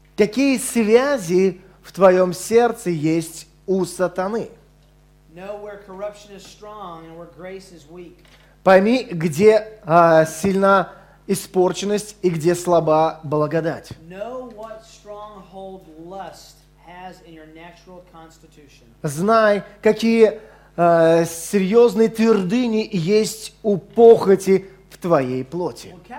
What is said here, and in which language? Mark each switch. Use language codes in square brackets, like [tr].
[ru] Какие связи в твоем сердце есть у сатаны? [en] Know where corruption is strong and where grace is weak. [ru] Пойми, где сильна испорченность и где слаба благодать. [en] Know what stronghold lust has in your natural constitution. [ru] Знай, какие серьезные твердыни есть у похоти в твоей плоти.